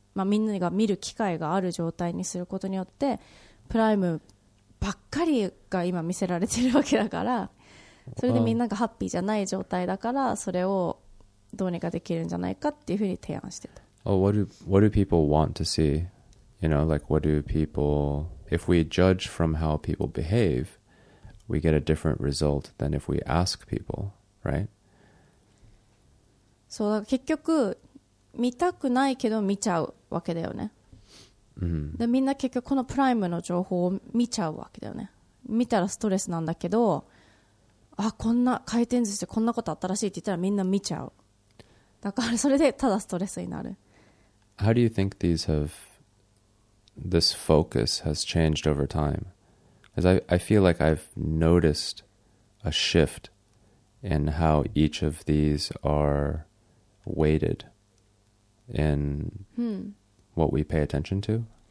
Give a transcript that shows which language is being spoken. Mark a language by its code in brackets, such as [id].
[ja] まあ、みんなが見る機会がある状態にすることによってプライムばっかりが今見せられてるわけだからそれでみんながハッピーじゃない状態だからそれをどうにかできるんじゃないかっていうふうに提案してた。 [en] Oh, what do people want to see? You know, like what do people... If we judge from how people behave, we get a different result than if we ask people, right? [ja] そう、だから結局見たくないけど見ちゃうわけだよね。 Mm-hmm. で、みんな結局このプライムの情報を見ちゃうわけだよね。見たらストレスなんだけど、あ、こんな回転寿司でこんなことあったらしいって言ったらみんな見ちゃう。だからそれでただストレスになる。 [en] How do you think this focus has changed over time? Because I feel like I've noticed a shift in how each of these are weighted in what we pay attention to.